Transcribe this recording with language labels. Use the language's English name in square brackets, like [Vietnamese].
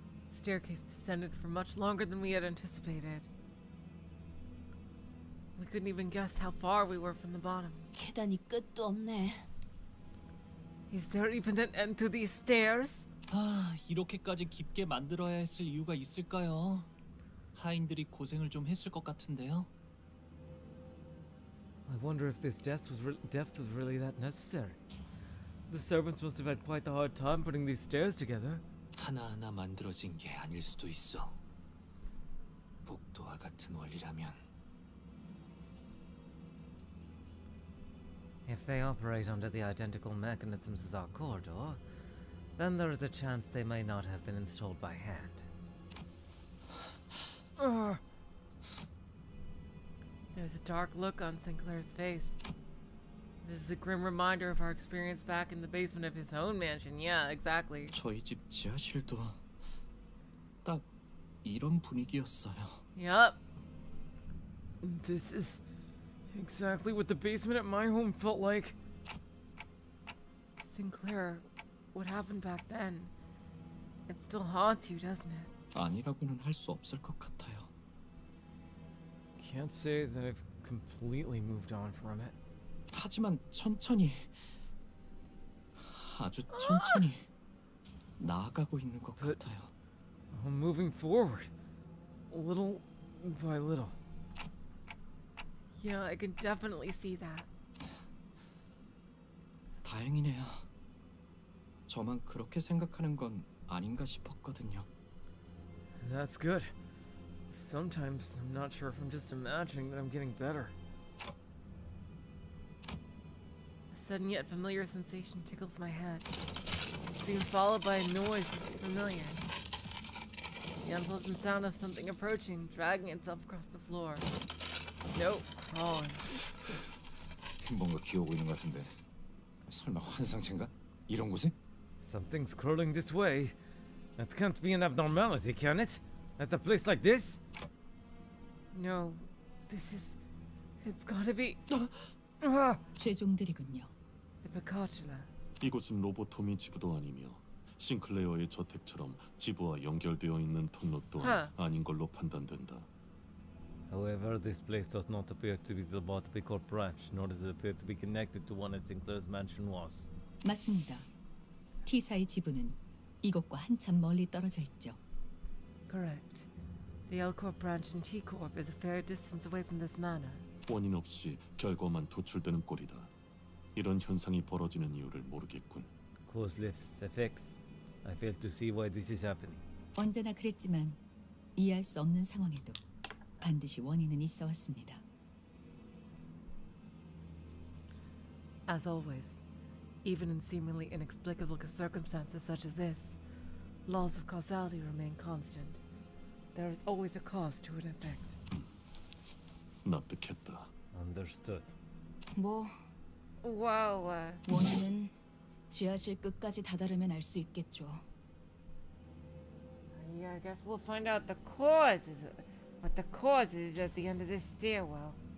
[English] Staircase descended for much longer than we had anticipated. We couldn't even guess how far we were from the bottom. [Korean] 계단이 끝도 없네. [English] Is there even an end to these stairs? [Korean] 아, 이렇게까지 깊게 만들어야 했을 이유가 있을까요? 하인들이 고생을 좀 했을 것 같은데요. [English] I wonder if this depth was really that necessary. The servants must have had quite a hard time putting these stairs together. [Korean] 하나하나 만들어진 게 아닐 수도 있어. 복도와 같은 원리라면. [English] If they operate under the identical mechanisms as our corridor, then there is a chance they may not have been installed by hand. There's a dark look on Sinclair's face. This is a grim reminder of our experience back in the basement of his own mansion. Yeah, exactly. [Korean] 저희 집 지하실도 딱 이런 분위기였어요. [English] Yup. This is exactly what the basement at my home felt like. Sinclair, what happened back then? It still haunts you, doesn't it? [Korean] 아니라고는 할 수 없을 것 같아요. [English] Can't say that I've completely moved on from it. [Korean] 하지만 천천히, 아주 천천히 나아가고 있는 것 같아요. [English] I'm moving forward, little by little. Yeah, I can definitely see that. [Korean] 다행이네요. 저만 그렇게 생각하는 건 아닌가 싶었거든요. [English] That's good. Sometimes I'm not sure if I'm just imagining that I'm getting better. A sudden yet familiar sensation tickles my head. Soon followed by a noise just as familiar. The unpleasant sound of something approaching, dragging itself across the floor. Nope, crawling. [Korean] 뭔가 기어오고 있는 것 같은데. 설마 환상체인가? 이런 곳에? [English] Something's crawling this way. That can't be an abnormality, can it? At a place like this? No, this is... It's gotta be... [Korean] 죄종들이군요. [English] The Pecatula. [Korean] 이곳은 로보토미 지부도 아니며 싱클레어의 저택처럼 지부와 연결되어 있는 통로 또한 아닌 걸로 판단된다. [English] However, this place does not appear to be the Bartleby Corp branch, nor does it appear to be connected to one of Sinclair's mansion was. [Korean] 맞습니다. T사의 지부는 이곳과 한참 멀리 떨어져 있죠. [English] Correct. The L Corp branch and T Corp is a fair distance away from this manor. [Korean] 원인 없이 결과만 도출되는 꼴이다. 이런 현상이 벌어지는 이유를 모르겠군. [English] Cause lifts effects. I fail to see why this is happening. [Korean] 언제나 그랬지만 이해할 수 없는 상황에도 반드시 원인은 있어 왔습니다. [English] As always, even in seemingly inexplicable circumstances such as this, laws of causality remain constant. There is always a cause to an effect. [Korean] 납득했다. [English] Understood. [Korean] 뭐? [English] Wow. [Korean] 원인은 지하실 끝까지 다다르면 알 수 있겠죠. [English] Yeah, I guess we'll find out the causes. What the cause is at the end of this stairwell.